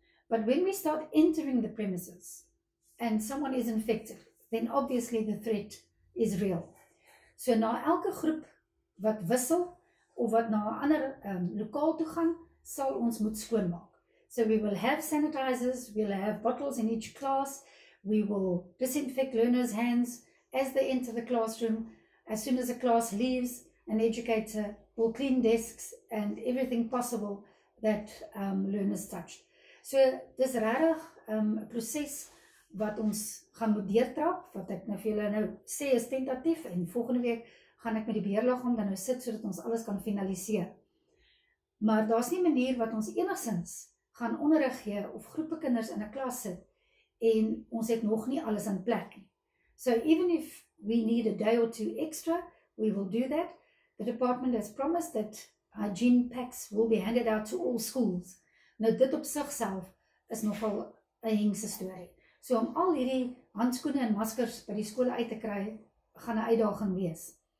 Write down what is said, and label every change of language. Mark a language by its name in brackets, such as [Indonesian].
[English] But when we start entering the premises and someone is infected, then obviously the threat is real. [Afrikaans] So na elke groep wat wissel of wat na 'n ander lokaal toe gaan, sal ons moet skoonmaak. [English] So we will have sanitizers, we'll have bottles in each class, we will disinfect learners' hands as they enter the classroom, as soon as a class leaves, an educator will clean desks and everything possible that learners touch. [Afrikaans] So dis regtig 'n proses wat ons gaan moet deurtrap, wat ek nou vir julle nou sê is tentatief, en volgende week gaan ek met die beheerliggaam dan nou sit sodat ons alles kan finaliseer. Maar daar's nie manier wat ons enigsins gaan onderrig gee of groepe kinders in 'n klas sit en ons het nog nie alles in plek nie. [English] So even if we need a day or two extra, we will do that. The department has promised that hygiene packs will be handed out to all schools. [Afrikaans] Nou dit op sigself is nogal 'n hengse storie. So om al hierdie handskoene en maskers by die skole uit te kry, gaan 'n uitdaging wees.